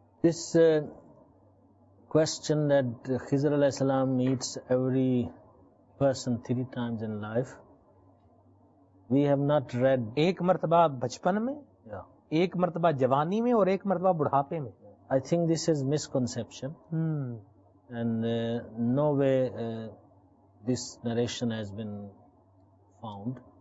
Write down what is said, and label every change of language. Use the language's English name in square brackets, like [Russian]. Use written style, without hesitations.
[English] اس question that Khizr alayhi salam meets every person 3 times in life, we have not read. [Urdu] ایک مرتبہ بچپن میں, ایک مرتبہ جوانی میں, اور ایک مرتبہ بڑھاپے میں. [English] I think this is misconception. And no way this narration has been found.